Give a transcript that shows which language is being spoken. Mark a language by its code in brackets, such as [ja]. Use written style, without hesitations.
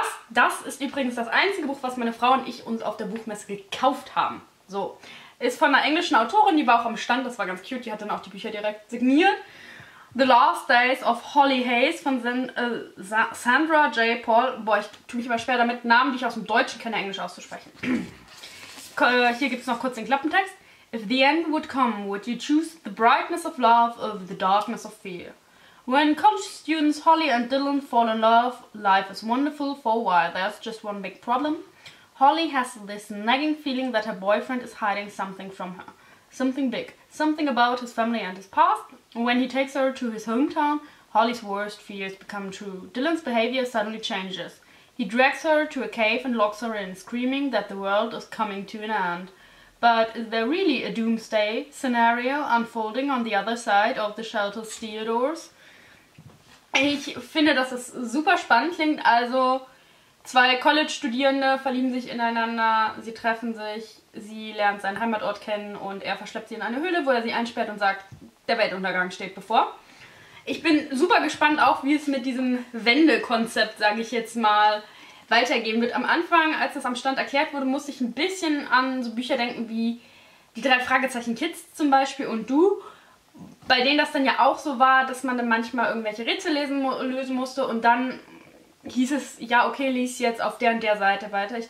[de] Das ist übrigens das einzige Buch, was meine Frau und ich uns auf der Buchmesse gekauft haben. So. Ist von einer englischen Autorin, die war auch am Stand, das war ganz cute, die hat dann auch die Bücher direkt signiert. [en] The Last Days of Holly Hayes von Sandra J. Paul. [de] Boah, ich tue mich immer schwer damit, Namen, die ich aus dem Deutschen kenne, Englisch auszusprechen. Hier gibt es noch kurz den Klappentext. [en] If the end would come, would you choose the brightness of love over the darkness of fear? When college students Holly and Dylan fall in love, life is wonderful for a while. There's just one big problem. Holly has this nagging feeling that her boyfriend is hiding something from her. Something big. Something about his family and his past. When he takes her to his hometown, Holly's worst fears become true. Dylan's behavior suddenly changes. He drags her to a cave and locks her in, screaming that the world is coming to an end. But is there really a doomsday scenario unfolding on the other side of the shelter's steel doors? [de] Ich finde, dass es super spannend klingt. Also, 2 College-Studierende verlieben sich ineinander, sie treffen sich, sie lernt seinen Heimatort kennen und er verschleppt sie in eine Höhle, wo er sie einsperrt und sagt, der Weltuntergang steht bevor. Ich bin super gespannt auch, wie es mit diesem Wendekonzept, sage ich jetzt mal, weitergehen wird. Am Anfang, als das am Stand erklärt wurde, musste ich ein bisschen an so Bücher denken wie die 3 Fragezeichen Kids zum Beispiel und Du, bei denen das dann ja auch so war, dass man dann manchmal irgendwelche Rätsel lösen musste und dann hieß es, ja okay, lies jetzt auf der und der Seite weiter.